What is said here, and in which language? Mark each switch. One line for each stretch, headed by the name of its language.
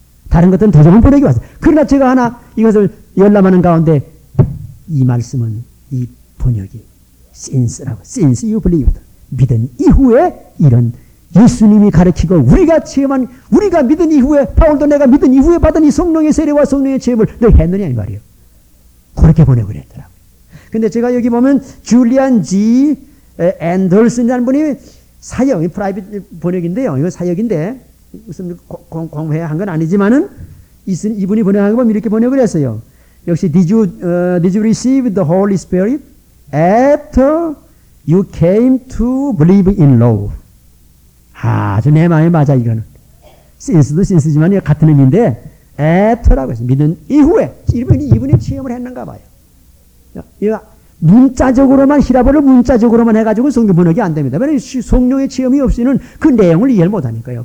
Korean: 다른 것들은 더 좋은 번역이 왔어요. 그러나 제가 하나 이것을 열람하는 가운데 이 말씀은 이 번역이 since라고
English: since you believed
Korean: 믿은 이후에 이런 예수님이 가르치고 우리가 체험한 우리가 믿은 이후에 바울도 내가 믿은 이후에 받은 이 성령의 세례와 성령의 체험을 내가 했느냐 이 말이에요. 그렇게 보내고 그랬더라고. 근데 제가 여기 보면 줄리안 G. 앤더슨이라는 분이 사역이 프라이빗 번역인데요. 이거 사역인데 무슨 공회한 건 아니지만은 이분이 번역한 거면 이렇게 번역을 했어요. 역시
English: did you receive the Holy Spirit after you came to believe in love?
Korean: 아주 내 마음에 맞아 이거는. since도 since지만 같은 의미인데 after라고 했어요. 믿은 이후에 이분이 체험을 했는가 봐요. 문자적으로만 히라보를 문자적으로만 해가지고 성경 번역이 안 됩니다. 왜냐하면 성령의 체험이 없이는 그 내용을 이해를 못하니까요.